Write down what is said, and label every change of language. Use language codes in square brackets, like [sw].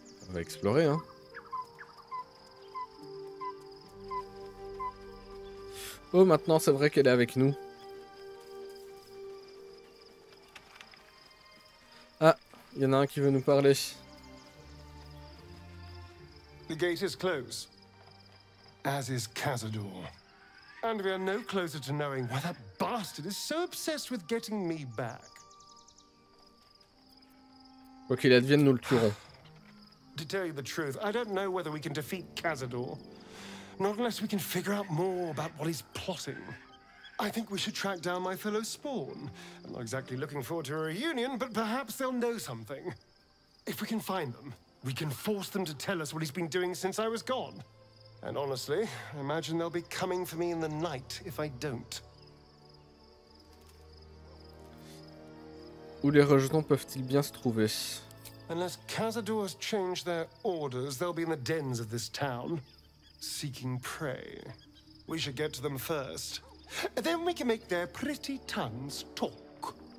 [fr] On va explorer, hein. Oh, maintenant c'est vrai qu'elle est avec nous. Il y en a un qui veut nous parler. [en] The gate is closed, as is Cazador. And we are no closer to knowing why that bastard is so obsessed with getting me back. [fr] Quoi qu'il advienne, nous le tuerons. [en] To tell you the truth, I don't know whether we can defeat Cazador. Not unless we can figure out more about what he's plotting. I think we should track down my fellow spawn. I'm not exactly looking forward to a reunion, but perhaps they'll know something. If we can find them, we can force them to tell us what he's been doing since I was gone. And honestly, I imagine they'll be coming for me in the night if I don't. [fr] Où les rejetons peuvent-ils bien se trouver? [en] Unless Cazador has changed their orders, they'll be in the dens of this town, seeking prey. We should get to them first. Then we can make their pretty tongues talk.